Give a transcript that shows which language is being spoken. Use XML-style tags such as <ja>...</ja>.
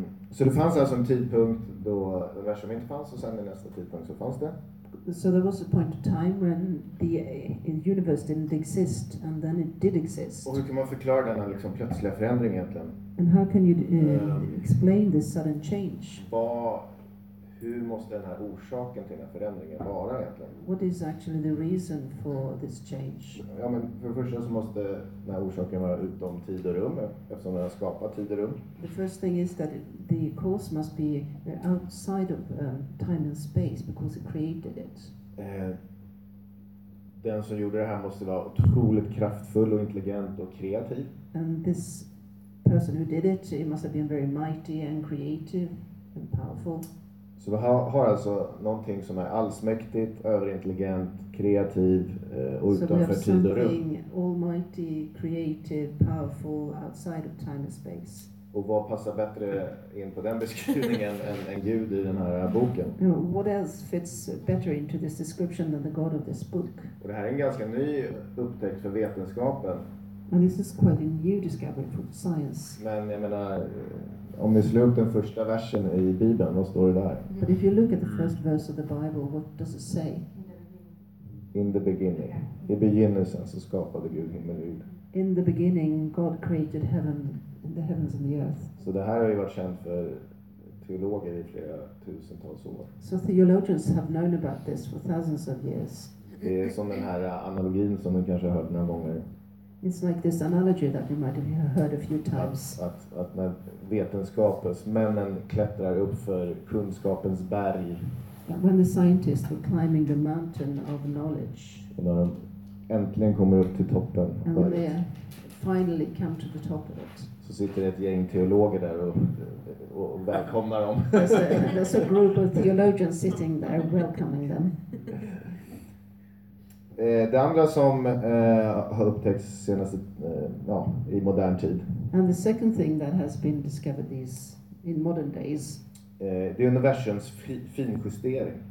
<sv>Så det fanns alltså en tidpunkt då universum inte fanns och sen i nästa tidpunkt så fanns det.</sv> <en>So there was a point of time when the universe didn't exist and then it did exist.</en> <sv>Och hur kan man förklara den här liksom plötsliga förändringen egentligen?</sv> <en>And how can you explain this sudden change?</en> <sv>Hur måste den här orsaken till den här förändringen vara egentligen?</sv> <en>What is actually the reason for this change?</en> <sv>Ja, men för det första så måste den här orsaken vara utom tid och rum, eftersom den har skapat tid och rum.</sv> <en>The first thing is that the cause must be outside of time and space because it created it.</en> <sv>Den som gjorde det här måste vara otroligt kraftfull och intelligent och kreativ.</sv> <en>And this person who did it, it must have been very mighty and creative and powerful.</en> <sv>Så vi har alltså någonting som är allsmäktigt, överintelligent, kreativ och utanför tid och rum.</sv> <en>Something almighty, creative, powerful outside of time and space.</en> <sv>Och vad passar bättre in på den beskrivningen än Gud i den här boken?</sv> <en>What else fits better into this description than the God of this book?</en> <sv>Och det här är en ganska ny upptäckt för vetenskapen.</sv> <en>And this is quite a new discovery for science.</en> <sv>Men jag menar, om ni slår upp den första versen i Bibeln, vad står det där?</sv> <en>But if you look at the first verse of the Bible, what does it say? In the beginning.</en> <sv>I begynnelsen så skapade Gud himmel och jord.</sv> <en>In the beginning God created heaven, the heavens and the earth.</en> <sv>Så det här har ju varit känt för teologer i flera tusentals år.</sv> <en>So theologians have known about this for thousands of years.</en> <sv>Det är som den här analogin som ni kanske har hört några gånger.</sv> <en>It's like this analogy that you might have heard a few times.</en> <sv>Att när vetenskapens männen klättrar upp för kunskapens berg.</sv> <en>When the scientists were climbing the mountain of knowledge.</en> <sv>Och när de äntligen kommer upp till toppen.</sv> <en>And when they finally come to the top of it.</en> <sv>Så sitter ett gäng teologer där och välkomnar dem.</sv> <en>There's a group of theologians sitting there welcoming them.</en> <sv>Det andra som har upptäckts senaste i modern tid.</sv> <en>And the second thing that has been discovered these in modern days.</en> <sv>Det är universums finjustering.</sv>